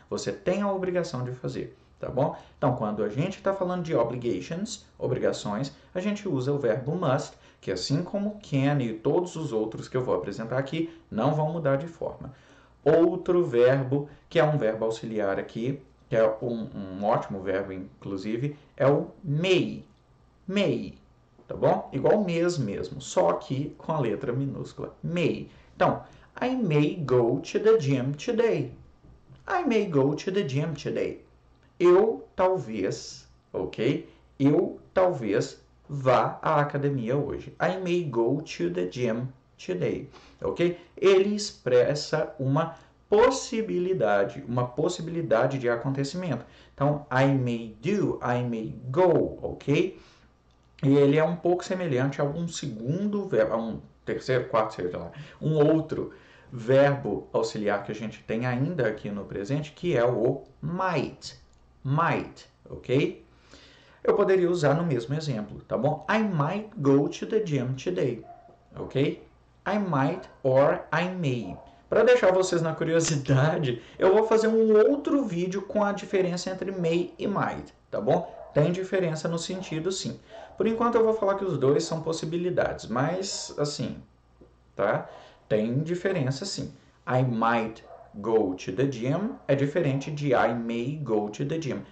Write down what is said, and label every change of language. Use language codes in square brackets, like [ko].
[pt] Você tem a obrigação de fazer, tá bom? Então, quando a gente está falando de obligations, obrigações, a gente usa o verbo must, que assim como can e todos os outros que eu vou apresentar aqui, não vão mudar de forma. Outro verbo, que é um verbo auxiliar aqui, que é um ótimo verbo, inclusive, é o may. May, tá bom? Igual mês mesmo, só que com a letra minúscula. [en] May. Então, I may go to the gym today. I may go to the gym today. [pt] Eu talvez, ok? Eu talvez vá à academia hoje. [en] I may go to the gym today, ok? [pt] Ele expressa uma possibilidade, de acontecimento. [en] Então, I may do, I may go, ok? [pt] E ele é um pouco semelhante a um segundo verbo, a um terceiro, quarto, sei lá, um outro verbo auxiliar que a gente tem ainda aqui no presente, que é o might. Might, ok? Eu poderia usar no mesmo exemplo, tá bom? [en] I might go to the gym today, ok? I might or I may. [pt] Para deixar vocês na curiosidade, eu vou fazer um outro vídeo com a diferença entre may e might, tá bom? Tem diferença no sentido, sim. Por enquanto, eu vou falar que os dois são possibilidades, mas, assim, tá? Tem diferença, sim. [en] I might go to the gym [pt] é diferente de [en] I may go to the gym.